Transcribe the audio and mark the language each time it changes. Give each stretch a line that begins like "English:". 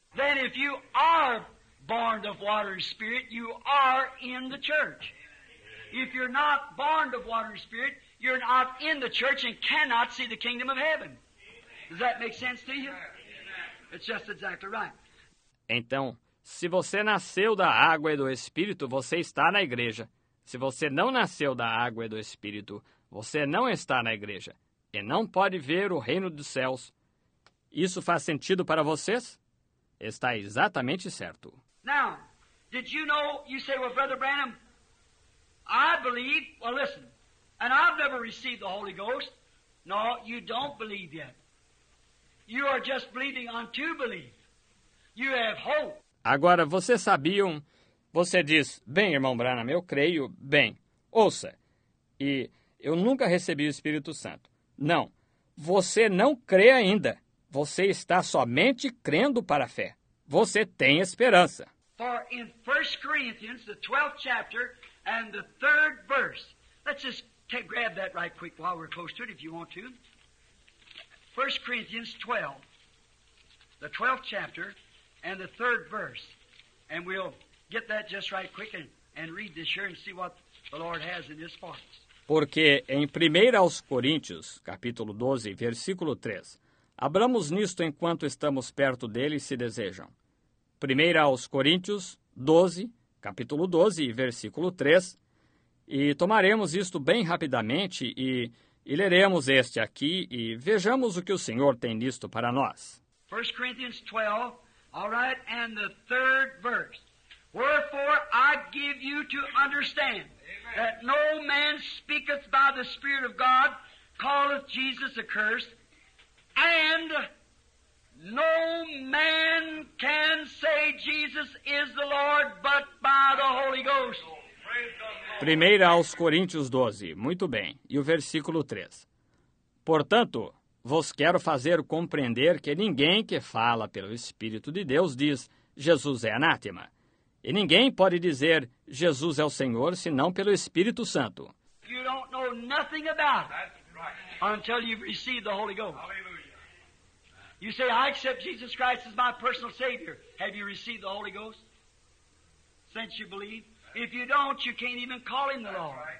English: Then if you are born of water and spirit, you are in the church. If you're not born of water and spirit, you're not in the church and cannot see the kingdom of heaven. Does that make sense to you? It's just exactly right.
Portuguese: Então, se você nasceu da água e do Espírito, você está na igreja. Se você não nasceu da água e do Espírito, você não está na igreja e não pode ver o reino dos céus. Isso faz sentido para vocês? Está exatamente certo.
English: Now, did you know, you say, well, Brother Branham, I believe, well, listen, and I've never received the Holy Ghost. No, you don't believe yet. You are just believing on to believe. You have hope.
Portuguese: Agora, vocês sabiam, você diz, bem, irmão Branham, eu creio, bem, ouça, e eu nunca recebi o Espírito Santo. Não, você não crê ainda. Você está somente crendo para a fé. Você tem esperança.
English: For in 1 Corinthians, the 12th chapter, and the 3rd verse. Let's just grab that right quick while we're close to it, if you want to. 1 Corinthians 12, the 12th chapter, and the 3rd verse. And we'll get that just right quick and read this here and see what the Lord has in his for us.
Portuguese: Porque em 1 Coríntios, capítulo 12, versículo 3, abramos nisto enquanto estamos perto dele, se desejam. 1 Coríntios 12, capítulo 12, versículo 3, e tomaremos isto bem rapidamente e leremos este aqui e vejamos o que o Senhor tem nisto para nós.
English: 1 Coríntios 12, all right, and the 3rd verse. Wherefore I give you to understand. That no man speaketh by the Spirit of God, calleth Jesus accursed, and no man can say Jesus is the Lord but by the Holy Ghost.
Portuguese: 1 aos Coríntios 12, muito bem, e o versículo 3. Portanto, vos quero fazer compreender que ninguém que fala pelo Espírito de Deus diz Jesus é anátema. E ninguém pode dizer, Jesus é o Senhor, senão pelo Espírito Santo.
English: You don't know nothing about it. That's right. Until you've received the Holy Ghost. Hallelujah. You say, I accept Jesus Christ as my personal Savior. Have you received the Holy Ghost? Since you believe? If you don't, you can't even call him the Lord.